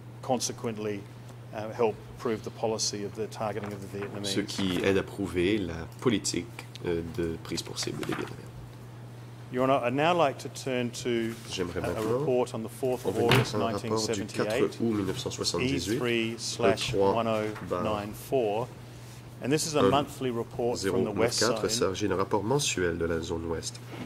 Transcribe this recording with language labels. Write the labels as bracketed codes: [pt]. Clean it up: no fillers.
[en] help prove the policy of the targeting of the Vietnamese. [fr] Ce qui aide à prouver la politique de prise pour cible des Vietnamiens. [en] Your Honor, I'd now like to turn to a report on the 4th of August 1978, E3/1094, and this is a monthly report from the West Zone. [fr] Il s'agit d'un rapport mensuel de la zone ouest.